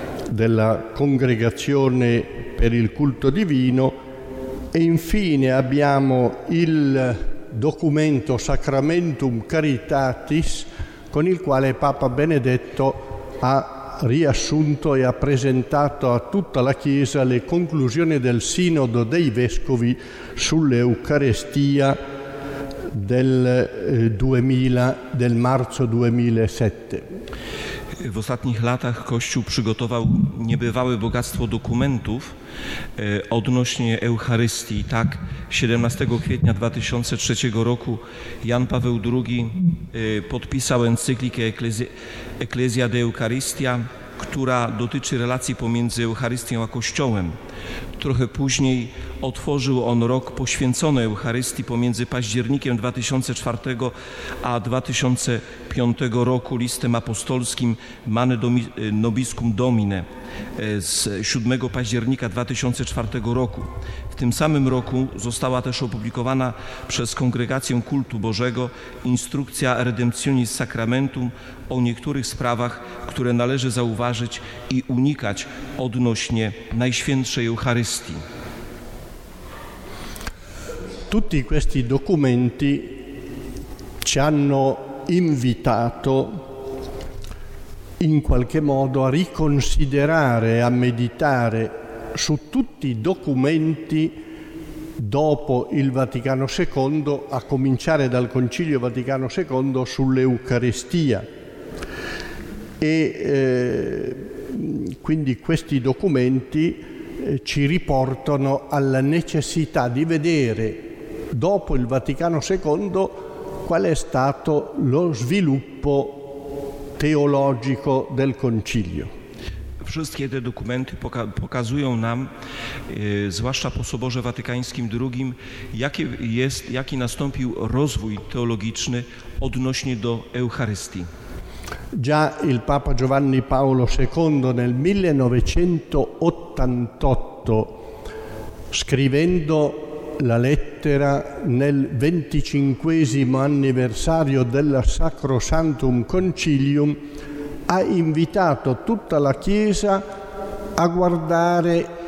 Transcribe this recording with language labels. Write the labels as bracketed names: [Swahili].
[Italian] della Congregazione per il Culto Divino, e infine abbiamo il documento Sacramentum Caritatis con il quale Papa Benedetto ha riassunto e ha presentato a tutta la Chiesa le conclusioni del Sinodo dei Vescovi sull'Eucarestia del marzo 2007. [Polish] W ostatnich latach Kościół przygotował niebywałe bogactwo dokumentów odnośnie Eucharystii. Tak, 17 kwietnia 2003 roku Jan Paweł II podpisał encyklikę Ecclesia de Eucharistia, która dotyczy relacji pomiędzy Eucharystią a Kościołem. Trochę później otworzył on rok poświęcony Eucharystii pomiędzy październikiem 2004 a 2005 roku listem apostolskim Mane Nobiscum Domine z 7 października 2004 roku. W tym samym roku została też opublikowana przez Kongregację Kultu Bożego instrukcja Redemptionis Sacramentum o niektórych sprawach, które należy zauważyć i unikać odnośnie Najświętszej Eucharystii. [Italian] Tutti questi documenti ci hanno invitato in qualche modo a riconsiderare, a meditare su tutti i documenti dopo il Vaticano II, a cominciare dal Concilio Vaticano II sull'Eucaristia. E quindi questi documenti ci riportano alla necessità di vedere dopo il Vaticano II qual è stato lo sviluppo teologico del Concilio. [Polish] Wszystkie te dokumenty pokazują nam, zwłaszcza po Soborze Watykańskim II, jaki nastąpił rozwój teologiczny odnośnie do Eucharystii. Già il Papa Giovanni Paolo II nel 1988, scrivendo la lettera nel 25° anniversario della Sacrosantum Concilium, ha invitato tutta la Chiesa a guardare